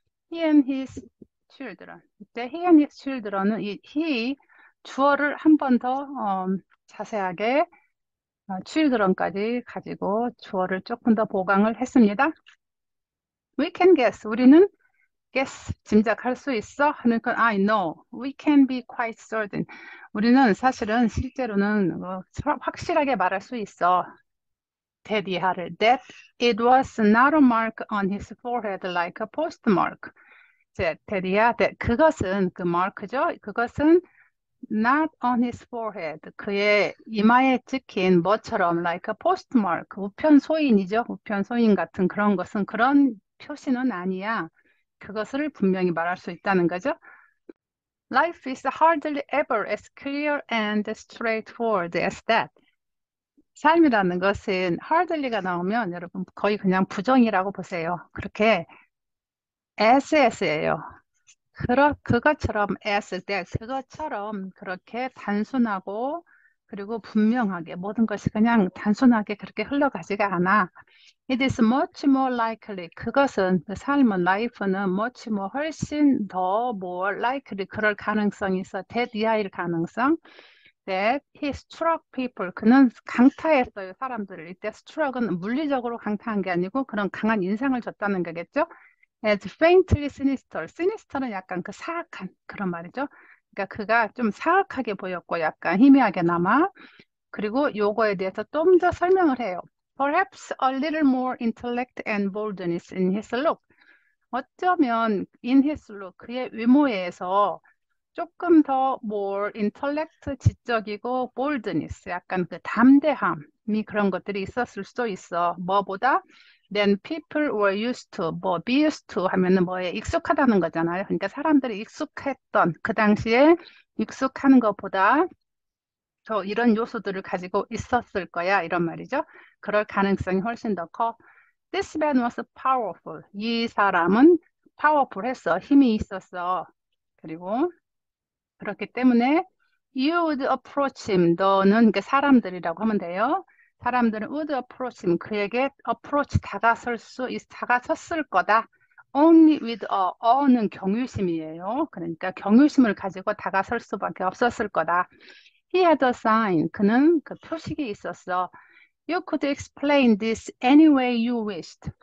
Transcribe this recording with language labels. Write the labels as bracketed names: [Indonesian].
[English] He and his children. [Korean] 그때 he and his children은 이 he 주어를 한번더 자세하게 children까지 가지고 주어를 조금 더 보강을 했습니다. [English] We can guess. [Korean] 우리는 guess. 짐작할 수 있어? 하는 건 [English] I know. We can be quite certain. [Korean] 우리는 사실은 실제로는 확실하게 말할 수 있어. 데디하를. [English] That it was not a mark on his forehead like a postmark. [Korean] 데디야, 그것은, 그 마크죠? [English] 그것은 not on his forehead. [Korean] 그의 이마에 찍힌 뭐처럼 [English] like a postmark. [Korean] 우편소인이죠? 우편소인 같은 그런 것은 그런 표시는 아니야. 그것을 분명히 말할 수 있다는 거죠. [English] Life is hardly ever as clear and straightforward as that. [Korean] 삶이라는 것은 hardly가 나오면 여러분 거의 그냥 부정이라고 보세요. 그렇게 as예요. 그것처럼 as, that, 그것처럼 그렇게 단순하고 그리고 분명하게 모든 것이 그냥 단순하게 그렇게 흘러가지가 않아. [English] It is much more likely. [Korean] 그것은 그 삶은 life는 much more 훨씬 더 more likely 그럴 가능성이 있어. [English] That [Korean] 이하일 가능성. [English] That he struck people. [Korean] 그는 강타했어요 사람들을. 이때 struck은 물리적으로 강타한 게 아니고 그런 강한 인상을 줬다는 거겠죠. [English] As faintly sinister. [Korean] Sinister는 약간 그 사악한 그런 말이죠. 그러니까 그가 좀 사악하게 보였고 약간 희미하게나마 그리고 요거에 대해서 좀더 설명을 해요. [English] Perhaps a little more intellect and boldness in his look. [Korean] 어쩌면 in his look 그의 외모에서 조금 더 more intellect 지적이고 boldness 약간 그 담대함이 그런 것들이 있었을 수도 있어. [English] 뭐보다 Then people were used to, 뭐, be used to [Korean] 하면은 뭐에 익숙하다는 거잖아요. 그러니까 사람들이 익숙했던, 그 당시에 익숙한 것보다 저 이런 요소들을 가지고 있었을 거야, 이런 말이죠. 그럴 가능성이 훨씬 더 커. [English] This man was powerful. [Korean] 이 사람은 파워풀했어. 힘이 있었어. 그리고 그렇기 때문에 [English] you would approach him. [Korean] 너는 그 사람들이라고 하면 돼요. 사람들은 [English] would approach him. [Korean] 그에게 approach 다가섰을 거다. [English] Only with awe는 [Korean] 경외심이에요. 그러니까 경외심을 가지고 다가설 수밖에 없었을 거다. [English] He had a sign. [Korean] 그는 그 표식이 있었어. [English] You could explain this any way you wished.